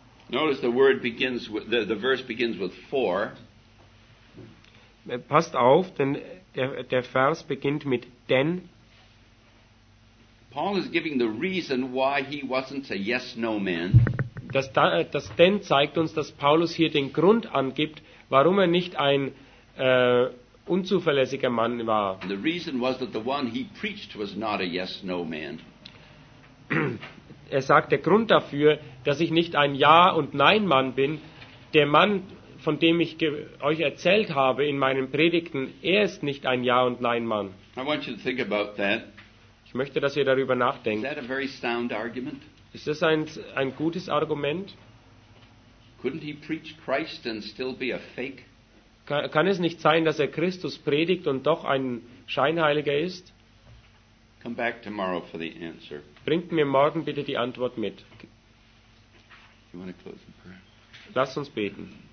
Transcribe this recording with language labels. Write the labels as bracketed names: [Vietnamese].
[English] Notice the word begins with, the verse begins with four. [German] Passt auf, denn der Vers beginnt mit denn. [English] Paul is giving the reason why he wasn't a yes no man. [German] Das denn zeigt uns, dass Paulus hier den Grund angibt, warum er nicht ein unzuverlässiger Mann war. [English] The reason was that the one he preached was not a yes no man. [German] Er sagt, der Grund dafür, dass ich nicht ein Ja und Nein Mann bin, der Mann, von dem ich euch erzählt habe in meinen Predigten, er ist nicht ein Ja- und Nein-Mann. [English] I want you to think about that. [German] Ich möchte, dass ihr darüber nachdenkt. [English] Is that a very sound argument? [German] Ist das ein gutes Argument? [English] Couldn't he preach Christ and still be a fake? [German] Kann es nicht sein, dass er Christus predigt und doch ein Scheinheiliger ist? [English] Come back tomorrow for the answer. [German] Bringt mir morgen bitte die Antwort mit. [English] You want to close in prayer? [German] Lasst uns beten.